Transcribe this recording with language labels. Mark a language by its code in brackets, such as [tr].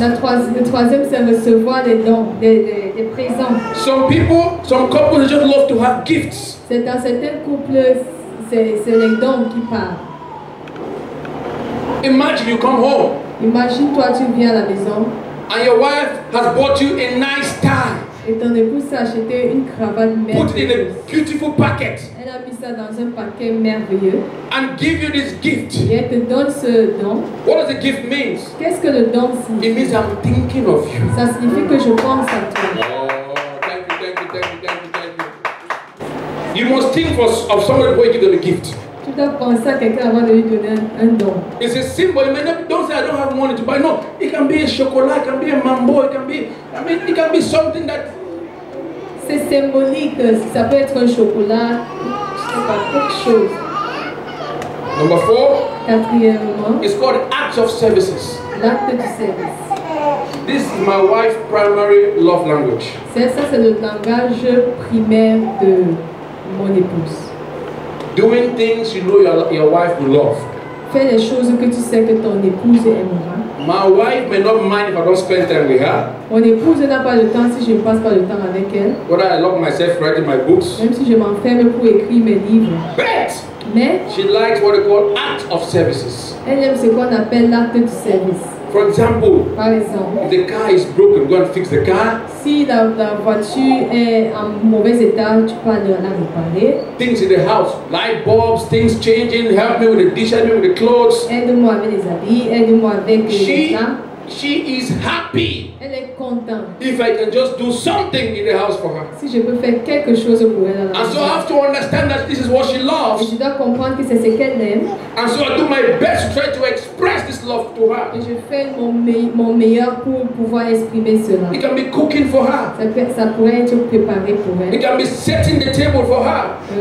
[fr] Le troisième, c'est recevoir des dons, des présents. [en] Some people, some couples just love to have gifts. [fr] C'est dans certains couples, c'est les dons qui parlent. [en] Imagine you come home. [fr] Imagine-toi, tu viens à la maison. [en] And your wife has bought you a nice tie. [fr] Et ton épouse a acheté une cravate merveilleuse. [en] Put it in a beautiful packet. [fr] Elle a mis ça dans un paquet merveilleux. [en] And give you this gift. [fr] Et elle te donne ce don. [en] What does the gift mean? [fr] Qu'est-ce que le don signifie? [en] It means I'm thinking of you. [fr] Ça signifie que je pense à toi. [en] Oh, thank you. You must think of somebody before you give them a gift. [fr] Tu dois penser à quelqu'un avant de lui donner un don. [en] It's a symbol. You may not don't say I don't have money to buy. No, it can be a chocolat, it can be a mambo, it can be something that. [fr] C'est symbolique. Ça peut être un chocolat, je sais pas, quelque chose. [en] Number four. [fr] Quatrièmement. [en] It's called acts of services. [fr] L'acte de service. [en] This is my wife's primary love language. [fr] C'est le langage primaire de mon épouse. [en] Doing things you know your wife will love. [fr] Faire des choses que tu sais que ton épouse aimera. [en] My wife may not mind if I don't spend time with her. [fr] Mon épouse n'a pas le temps si je ne passe pas le temps avec elle. [en] Whether I lock myself writing my books. [fr] Même si je m'enferme pour écrire mes livres. [en] But [fr] mais [en] she likes what they call act of services. [fr] Elle aime ce qu'on appelle l'acte de service. [en] For example, [fr] par exemple, [en] if the car is broken, go and fix the car. [fr] Si la voiture est en mauvais état, tu peux aller la réparer. [en] Things in the house, light bulbs, things changing, help me with the dish, help me with the clothes. [fr] Aide-moi avec les habits, aide-moi avec les plats. [en] She is happy. [fr] Elle est contente. [en] If I can just do something in the house for her. [fr] Si je peux faire quelque chose pour elle. [en] And so I have to understand that this is what she loves. [fr] Et je dois comprendre que c'est ce qu'elle aime. [en] And so I do my best to try to express this love to her. [fr] Et je fais mon meilleur pour pouvoir exprimer cela. [en] It can be cooking for her. [fr] Ça pourrait être préparé pour elle. [en] It can be setting the table for her.